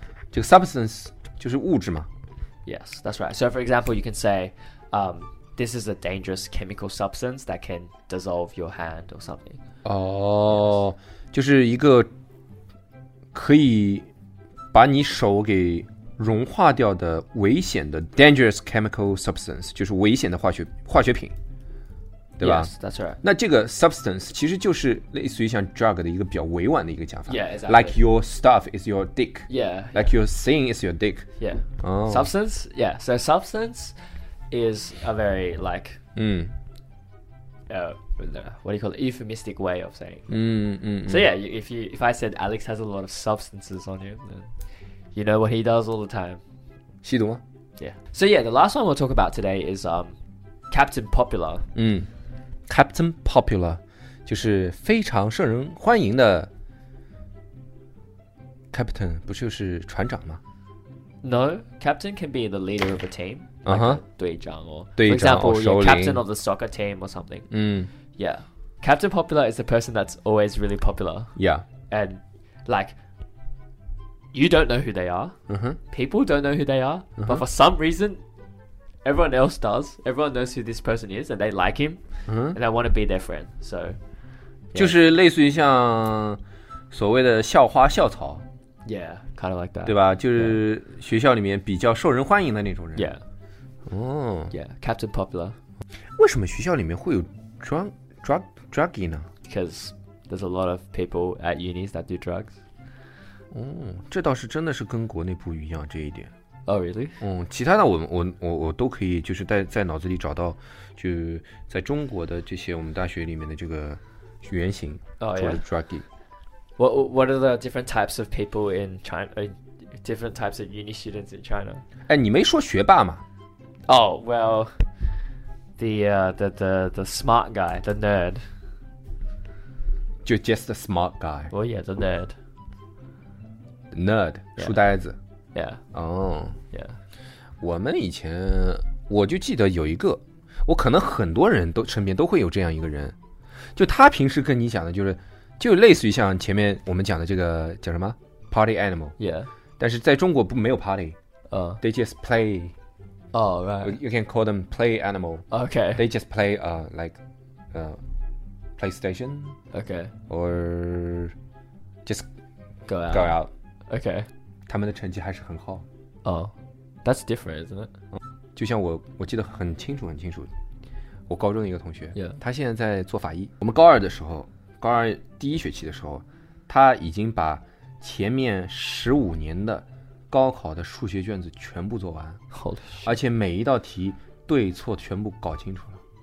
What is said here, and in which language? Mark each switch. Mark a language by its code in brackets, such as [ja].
[zh] 这个 substance 就是物质嘛。 [en] Yes, that's right. So for example, you can say, this is a dangerous chemical substance that can dissolve your hand or something. Oh. [zh] 就是一个可以把你手给融化掉的危险的 dangerous chemical substance 就是危险的化学品对吧 [en] yes, that's right. [zh] 那这个 substance 其实就是类似于像 drug 的一个比较委婉的一个讲法 [en] yeah, exactly. like your stuff is your dick yeah, yeah. like your thing is your dick yeah.、 Oh. substance yeah so substance is a very like、 mm. What do you call it? Euphemistic way of saying. Mm-hmm. So yeah, if I said Alex has a lot of substances on him, then you know what he does all the time. [zh] 吸毒吗? [en] Yeah. So yeah, the last one we'll talk about today is Captain Popular. Mm. [zh] Captain Popular, 就是非常受人欢迎的 Captain, 不就是船长吗? [en] No, Captain can be the leader of a team. Like、uh-huh. [zh] 队长哦队长 [en] For example, you're captain of the soccer team or something、 mm. Yeah Captain Popular is the person that's always really popular Yeah And like You don't know who they are、 uh-huh. People don't know who they are、 uh-huh. But for some reason Everyone else does Everyone knows who this person is And they like him、 uh-huh. And they want to be their friend So、 yeah. [zh] 就是类似于像所谓的校花校草 [en] Yeah, kind of like that [zh] 对吧就是学校里面比较受人欢迎的那种人 [en] Yeah Oh. Yeah, Captain Popular. [zh] 为什么学校里面会有 drug, drug, druggy 呢? [en] Because There's a lot of people at unis that do drugs. [zh] 这倒是真的是跟国内不一样这一点。 [en] Oh, really? [zh] 其他的我都可以就是 在脑子里找到就在中国的这些我们大学里面的这个原型。 [en] Oh, yeah. Druggy. What are the different types of people in China, different types of uni students in China? [zh] 你没说学霸吗？ [en] Oh, well, the smart guy, the nerd. Just a smart guy. Well, yeah, the nerd. [zh] Nerd, 书呆子。 [en] Yeah. Oh. Yeah. [zh] 我们以前，我就记得有一个，我可能很多人都身边都会有这样一个人，就他平时跟你讲的就是，就类似于像前面我们讲的这个叫什么 party animal. [en] Yeah. [zh] 但是在中国不没有 party. [en] They just play. Oh, right. You can call them play animal. Okay. They just play like, PlayStation. Okay. Or just go out. Go out. Okay. [zh] 他们的成绩还是很好。 [en] Oh, that's different, isn't it? [zh] 就像我记得很清楚很清楚，我高中的一个同学， [en] yeah. [zh] 他现在在做法医。我们高二的时候，高二第一学期的时候，他已经把前面15年的高考的数学卷子全部做完。 [en] Holy shit. [zh] 而且每一道题对错全部搞清楚了。